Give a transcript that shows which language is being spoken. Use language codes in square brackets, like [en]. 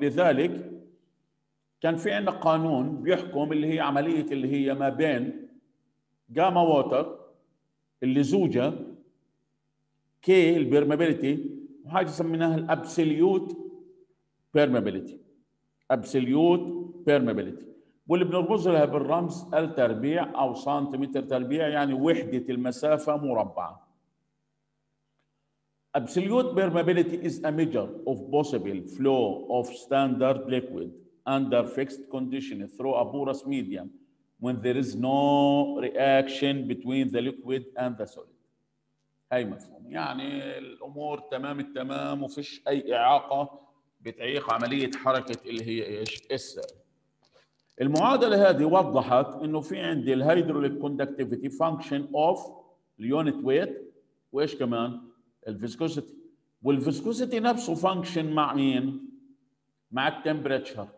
[ar] لذلك كان في عندنا قانون بيحكم اللي هي عملية اللي هي ما بين جاما ووتر اللي زوجة كي البيرميبيليتي، وحاجة سميناها الأبسوليوت بيرميبيليتي، أبسوليوت بيرميبيليتي، واللي بنربط لها بالرمز التربيع او سنتيمتر تربيع، يعني وحدة المسافة مربعة. [en] Absolute permeability is a measure of possible flow of standard liquid under fixed condition through a porous medium when there is no reaction between the liquid and the solid. [ar] هاي مفهوم، يعني الامور تمام التمام وفيش اي اعاقة بتعيق عملية حركة اللي هي ايش السائل. المعادلة هذه وضحت انه في عندي الهيدروليك كوندكتيفيتي فانكشن اوف اليونت ويت، وايش كمان الفيسكوسيتي، والفيسكوسيتي نفسه فانكشن مع مين؟ مع التمبريتشر.